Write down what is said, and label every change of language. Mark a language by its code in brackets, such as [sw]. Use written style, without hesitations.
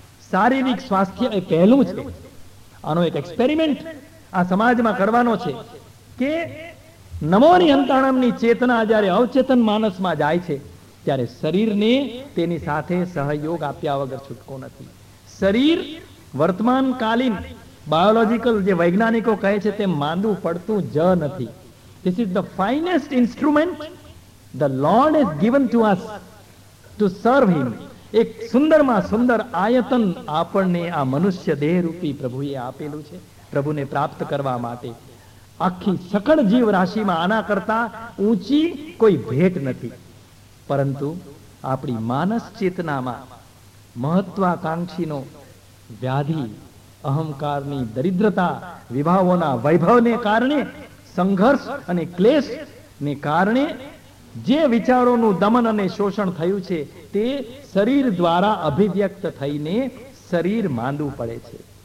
[gu] શારીરિક સ્વાસ્થ્ય એ પહેલું છે. આનો એક એક્સપેરિમેન્ટ આ સમાજમાં કરવાનો છે કે નમો અરિહંતાણમની ચેતના જ્યારે અવચેતન માનસમાં જાય છે ત્યારે શરીરને તેની સાથે સહયોગ આપ્યા વગર છૂટકો નથી. શરીર વર્તમાનકાલીન બાયોલોજીકલ જે વૈજ્ઞાનિકો કહે છે તેમ માંદું પડતું જ નથી. [en] This is the finest instrument The Lord has given to us to serve Him. [gu] એક સુંદરમાં સુંદર આયતન આપણને આ મનુષ્ય દેહ રૂપી પ્રભુએ આપેલું છે પ્રભુને પ્રાપ્ત કરવા માટે. આખી સકળ જીવ રાશિમાં આના કરતા ઊંચી કોઈ ભેટ નથી, પરંતુ આપણી માનસ ચેતનામાં મહત્વાકાંક્ષીનો વ્યાધિ, અહંકારની દરિદ્રતા, વિભાવોના વૈભવને કારણે, સંઘર્ષ અને ક્લેશને કારણે જે વિચારોનું દમન અને શોષણ થયું છે તે શરીર દ્વારા અભિવ્યક્ત થઈને શરીર માંદું પડે છે.